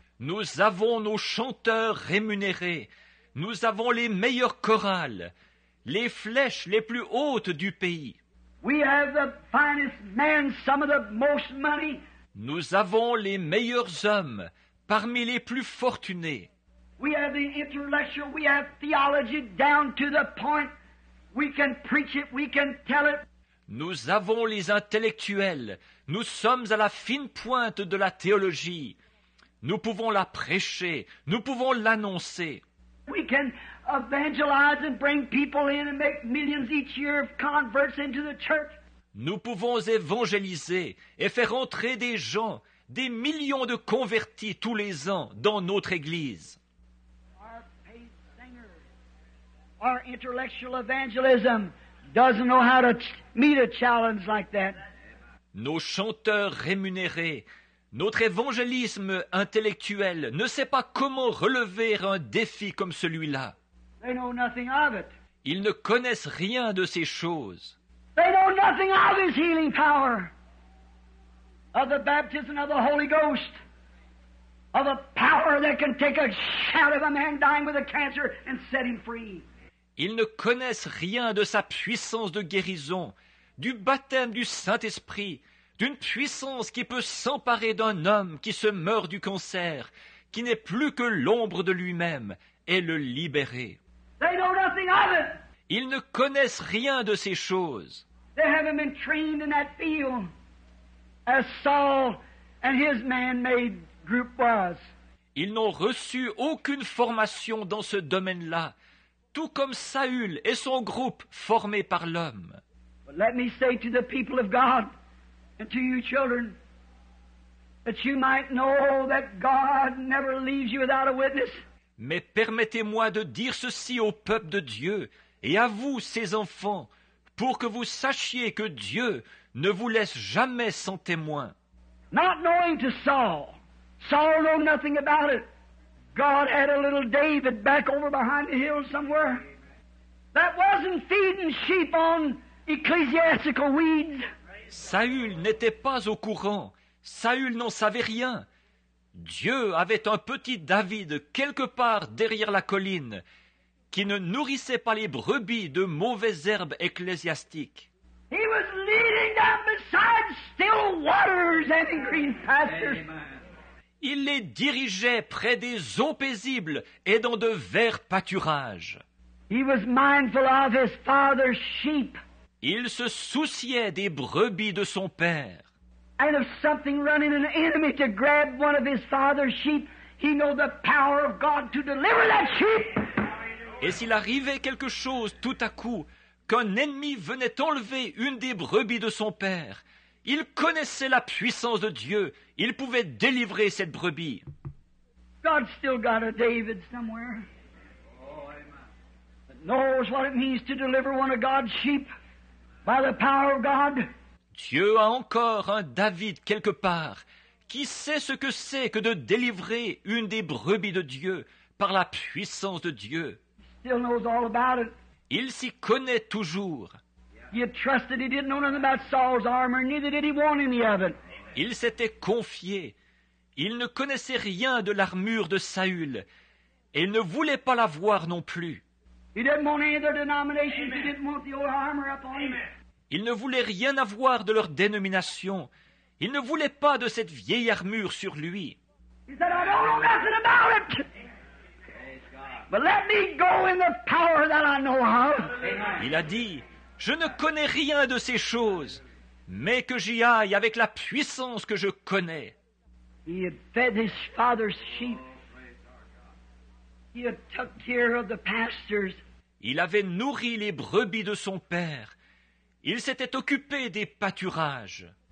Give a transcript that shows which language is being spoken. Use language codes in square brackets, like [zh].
[fr] Nous avons nos chanteurs rémunérés. Nous avons les meilleures chorales, les flèches les plus hautes du pays. [en] We have the finest men, some of the most money. [fr] Nous avons les meilleurs hommes, parmi les plus fortunés. [en] We have the intellectual, we have theology down to the point. We can preach it, we can tell it. [fr] Nous avons les intellectuels, nous sommes à la fine pointe de la théologie. Nous pouvons la prêcher, nous pouvons l'annoncer. [en] We can evangelize and bring people in and make millions each year of converts into the church. [fr] Nous pouvons évangéliser et faire entrer des gens, des millions de convertis tous les ans dans notre église. [en] Our paid singer, our intellectual evangelism doesn't know how to meet a challenge like that. [fr] Nos chanteurs rémunérés, Notre évangélisme intellectuel ne sait pas comment relever un défi comme celui-là. [en] They know nothing of it. [fr] Ils ne connaissent rien de ces choses. [en] They know nothing of his healing power, of the baptism of the Holy Ghost, of a power that can take a shot of a man dying with a cancer and set him free. [fr] Ils ne connaissent rien de sa puissance de guérison, du baptême du Saint-Esprit, d'une puissance qui peut s'emparer d'un homme qui se meurt du cancer, qui n'est plus que l'ombre de lui-même, et le libérer. [en] They know nothing of it. [fr] Ils ne connaissent rien de ces choses. [en] They haven't been trained in that field as Saul and his man-made group was. [fr] Ils n'ont reçu aucune formation dans ce domaine-là, tout comme Saül et son groupe formé par l'homme. [en] But let me say to the people of God and to you children that you might know that God never leaves you without a witness. [fr] Mais permettez-moi de dire ceci au peuple de Dieu et à vous, ses enfants, pour que vous sachiez que Dieu ne vous laisse jamais sans témoin. [en] Not knowing to Saul. Saul knew nothing about it. God had a little David back over behind the hill somewhere that wasn't feeding sheep on ecclesiastical weeds. [fr] Saül n'était pas au courant. Saül n'en savait rien. Dieu avait un petit David quelque part derrière la colline qui ne nourrissait pas les brebis de mauvaises herbes ecclésiastiques. [en] He was leading them beside still waters and in green pastures. [fr] Il les dirigeait près des eaux paisibles et dans de verts pâturages. [en] He was mindful of his father's sheep. [fr] Il se souciait des brebis de son père. [en] And if something running an enemy to grab one of his father's sheep, he knew the power of God to deliver that sheep. [fr] Et s'il arrivait quelque chose tout à coup, qu'un ennemi venait enlever une des brebis de son père, il connaissait la puissance de Dieu. Il pouvait délivrer cette brebis. [en] God still got a David somewhere. That knows what it means to deliver one of God's sheep by the power of God. [fr] Dieu a encore un David quelque part qui sait ce que c'est que de délivrer une des brebis de Dieu par la puissance de Dieu. [en] Still knows all about it. [fr] Il s'y connaît toujours. [en] He had trusted he didn't know nothing about Saul's armor, neither did he want any of it. [fr] Il s'était confié. Il ne connaissait rien de l'armure de Saül et il ne voulait pas la voir non plus. [en] He didn't want any of their denominations. Amen. He didn't want the old armor up on him. [fr] Il ne voulait rien avoir de leur dénomination. Il ne voulait pas de cette vieille armure sur lui. [en] He said, I don't know nothing about it. But let me go in the power that I know of. [fr] Il a dit, je ne connais rien de ces choses, mais que j'y aille avec la puissance que je connais. [en] He had fed his father's sheep. He had took care of the pastures. [fr] Il avait nourri les brebis de son père. Il s'était occupé des pâturages.